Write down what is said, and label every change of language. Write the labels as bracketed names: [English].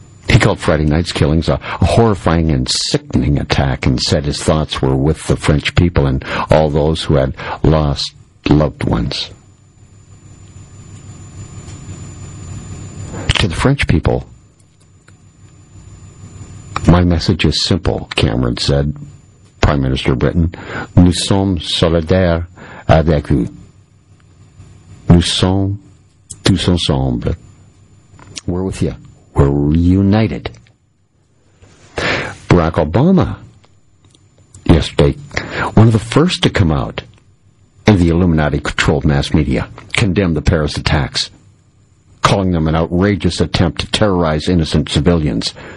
[English] He called Friday night's killings a horrifying and sickening attack and said his thoughts were with the French people and all those who had lost loved ones. To the French people, my message is simple, Cameron said, Prime Minister of Britain. [French] Nous sommes solidaires avec vous. Nous sommes tous ensemble. [English] We're with you. We're united. Barack Obama, yesterday, one of the first to come out in the Illuminati-controlled mass media, condemned the Paris attacks, calling them an outrageous attempt to terrorize innocent civilians.